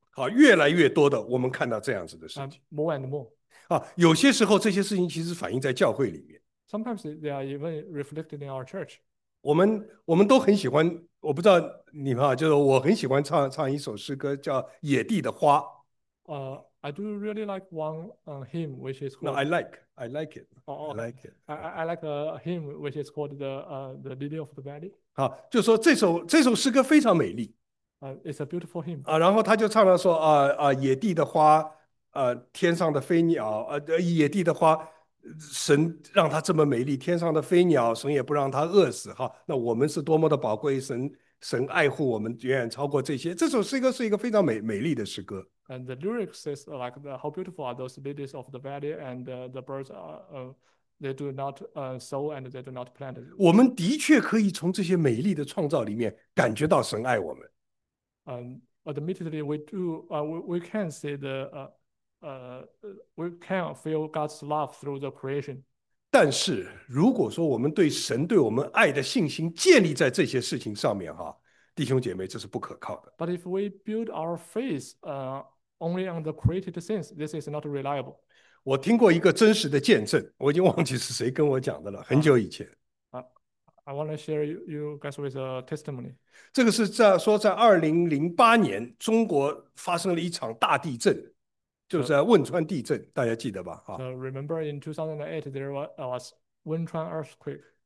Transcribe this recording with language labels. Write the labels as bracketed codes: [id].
[zh] 好，越来越多的我们看到这样子的事情。 [en] More and more. [zh] 有些时候这些事情其实反映在教会里面。 [en] Sometimes they are even reflected in our church. [zh] 我们都很喜欢，我不知道你们啊，就是我很喜欢唱一首诗歌，叫《野地的花 [en] I do really like one hymn, which 》。 is No, called. I like it, I Oh, like it。 I like a hymn, which is called the Lily of the Valley. [zh] 好，就说这首诗歌非常美丽。 [en] It's a beautiful hymn. [zh] 然后他就唱了说野地的花，天上的飞鸟，野地的花。神让他这么美丽，天上的飞鸟，神也不让他饿死。哈，那我们是多么的宝贵，神爱护我们远远超过这些。这首诗歌是一个非常美丽的诗歌。 [en] And the lyrics says like how beautiful are those lilies of the valley and the birds are they do not sow and they do not plant. [zh] 我们的确可以从这些美丽的创造里面感觉到神爱我们。 [en] Admittedly we do we can see the we can feel God's love through the creation. [zh] 但是，如果说我们对神对我们爱的信心建立在这些事情上面，哈，弟兄姐妹，这是不可靠的。 [en] But if we build our faith only on the created things, this is not reliable. [zh] 我听过一个真实的见证，我已经忘记是谁跟我讲的了，很久以前。 [en] I want to share you guys with a testimony. [zh] 这个是在说，在2008年，中国发生了一场大地震，就是在汶川地震，大家记得吧？哈。 [en] So remember in 2008, there was Wenchuan earthquake.